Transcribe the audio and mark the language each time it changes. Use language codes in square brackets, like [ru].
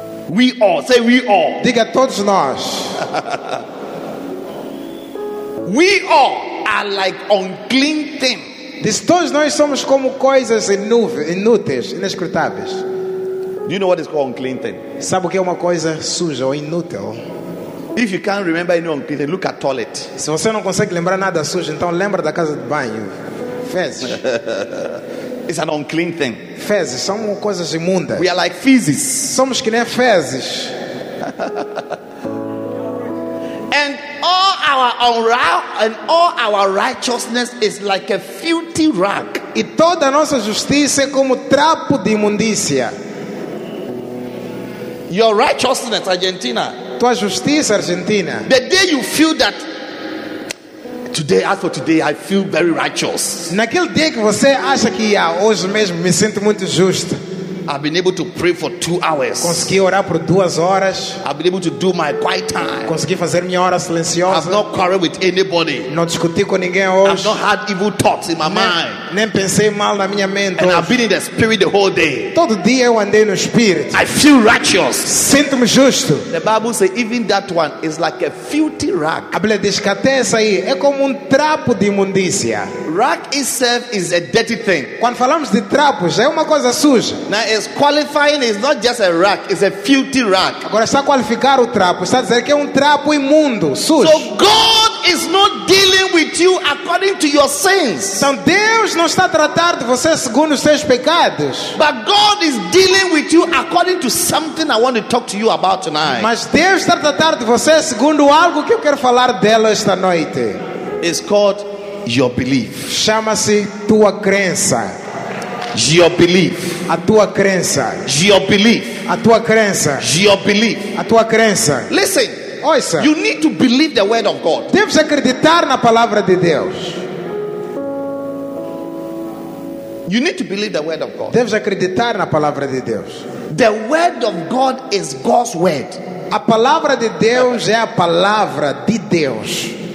[en] We all, say we all. [pt] Diga todos nós. [en] We all are like unclean thing. [pt] Diz todos nós somos como coisas inúteis, inescrutáveis. [en] Do you know what is called unclean thing? [pt] Sabe o que é uma coisa suja ou inútil? [en] If you can't remember any unclean thing, look at toilet. [pt] Se você não consegue lembrar nada sujo, então lembra da casa de banho. Fezes. [en] It's an unclean thing. [pt] Fezes são coisas imundas. [en] We are like feces. [pt] Somos que nem fezes. [en] And all our unrighteousness and all our righteousness is like a filthy rag. [pt] E toda a nossa justiça é como trapo de imundícia. [en] Your righteousness, Argentina. [pt] Tua justiça, Argentina. [en] The day you feel that today, as for today, I feel very righteous. [pt] Naquele dia que você acha que hoje mesmo me sinto muito justo. [en] I've been able to pray for 2 hours. [pt] Consegui orar por 2 horas. [en] I've been able to do my quiet time. [pt] Consegui fazer minha hora silenciosa. [en] I've not quarreled with anybody. [pt] Não discuti com ninguém hoje. [en] I've not had evil thoughts in my mind. [pt] Nem pensei mal na minha mente. [en] And I've been in the spirit the whole day. [pt] Todo dia eu andei no espírito. [en] I feel righteous. [pt] Sinto-me justo. [en] The Bible says even that one is like a filthy rag. [pt] A Bíblia diz que até essa aí é como trapo de imundícia. [en] Rag itself is a dirty thing. [pt] Quando falamos de trapos, é uma coisa suja. [en] Is qualifying is not just a rag, it's a filthy rag. [pt] Agora está a qualificar o trapo, está a dizer que é trapo imundo, sujo. [en] So God is not dealing with you according to your sins. [pt] Então Deus não está a tratar de você segundo os seus pecados. [en] But God is dealing with you according to something I want to talk to you about tonight. [pt] Mas Deus está a tratar de você segundo algo que eu quero falar dela esta noite. [en] It's called your belief. [pt] Chama-se tua crença. [en] Your belief, [pt] a tua crença. [en] Your belief, [pt] a tua crença. [en] Your belief, [pt] a tua crença. [en] Listen, [pt] ouça. [en] You need to believe the word of God. [pt] Deves acreditar na palavra de Deus. [en] You need to believe the word of God. [pt] Deves acreditar na palavra de Deus. [en] The word of God is God's word. [pt] A palavra de Deus é a palavra de Deus.